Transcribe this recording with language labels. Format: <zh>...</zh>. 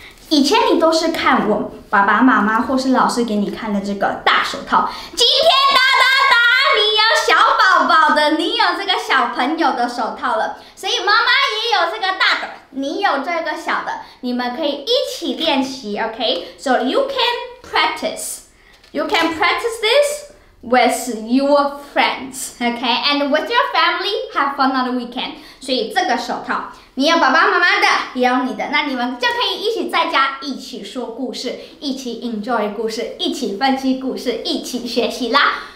<zh>以前你都是看我爸爸妈妈或是老师给你看的这个大手套，今天大大大你要小宝宝的，你有这个小朋友的手套了，所以妈妈也有这个大的，你有这个小的，你们可以一起练习 ，OK？</zh> <en>So you can practice this with your friends, OK? And with your family, have fun on the weekend.</en> <zh>所以这个手套，你有爸爸妈妈的，也有你的，那你们就可以一起在家一起说故事，一起 enjoy 故事，一起分析故事，一起学习啦。</zh>